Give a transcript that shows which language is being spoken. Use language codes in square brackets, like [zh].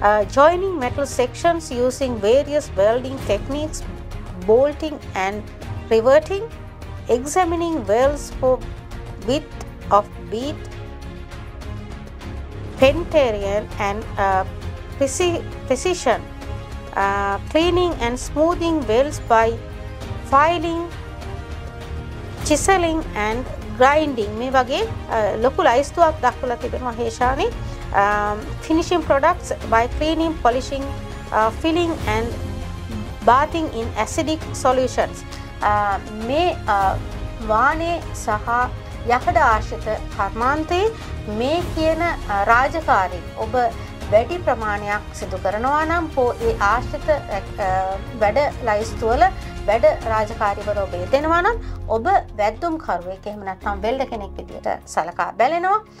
[en] joining metal sections using various welding techniques, bolting and riveting, examining welds for width of bead, pentering and precision, cleaning and smoothing welds by filing, chiseling and grinding. [si] මේ වගේ ලොකු ලයිස්තුවක් දක්වලා තිබෙනවා Heshani. [en] Finishing products by cleaning, polishing, filling and bathing in acidic solutions. [si] මේ වානේ සහ යකඩ ආශ්‍රිත කර්මාන්තේ මේ කියන රාජකාරී ඔබ වැඩි ප්‍රමාණයක් සිදු කරනවා නම් ඒ ආශ්‍රිත වැඩ ලයිස්තුවල වැඩ රාජකාරීවර ඔබ යෙදෙනවා නම් ඔබ වැද්දුම් කරුවෙක් එහෙම නැත්නම් වෙල්ඩර් කෙනෙක් විදියට සලකා බැලෙනවා.